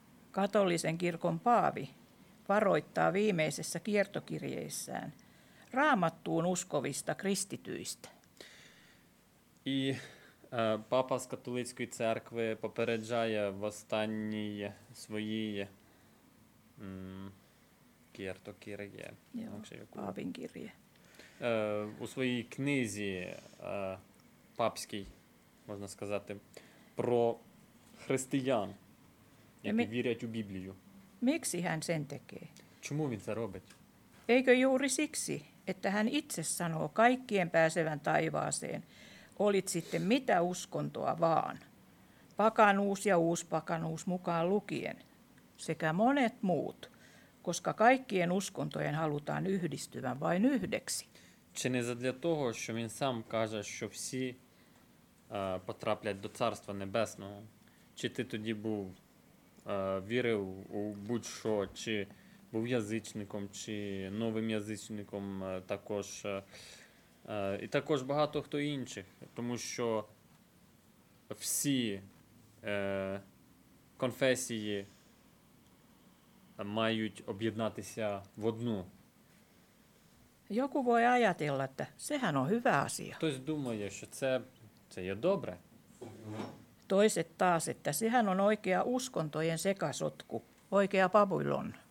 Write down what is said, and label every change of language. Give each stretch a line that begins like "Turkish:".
Finnish: Katolisen kirkon paavi varoittaa viimeisessä kiertokirjeissään Raamattuun uskovista kristityistä.
Ukrainian: І Папа з католицької церкви попереджає в останній своїй кіртокір'є. Папінкір'є. У своїй книзі папській, можна сказати, про християн, які вірять у Біблію.
Finnish: Miksi hän sen tekee?
Ukrainian: Чому він це робить?
Finnish: Eikö juuri siksi, että hän itse sanoo kaikkien pääsevän taivaaseen, olit sitten mitä uskontoa vaan, pakanuus ja uuspakanuus mukaan lukien, sekä monet muut, koska kaikkien uskontojen halutaan yhdistyvän vain yhdeksi.
Ukrainian: Чи не задля того, що він сам каже, що всі потраплять до Царства Небесного, чи ти тоді був вірив у будь-що, чи був язичником, чи новим язичником також. І також багато хто інших, тому що всі конфесії мають об'єднатися в одну.
Finnish: Joku voi ajatella, että sehän on hyvä asia.
Ukrainian: Хтось думає, що це є добре.
Finnish: Toiset taas, että sehän on oikea uskontojen sekasotku, oikea Babylon.